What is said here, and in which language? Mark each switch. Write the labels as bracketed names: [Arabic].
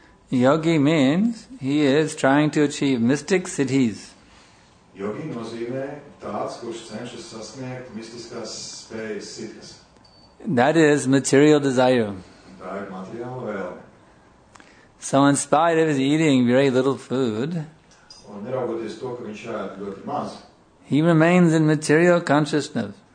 [English] Yogi means he is trying to achieve mystic siddhis. [Latvian] Yogi nozīmē tāds, kurš cenšas sasniegt mistiskās spējas siddhis. [English] That is material desire. [Latvian] Tā ir materiāla vēlme. [English] So in spite of his eating very little food, [Latvian] un neraugoties to, ka viņš ēd ļoti maz, [English] he remains in material consciousness.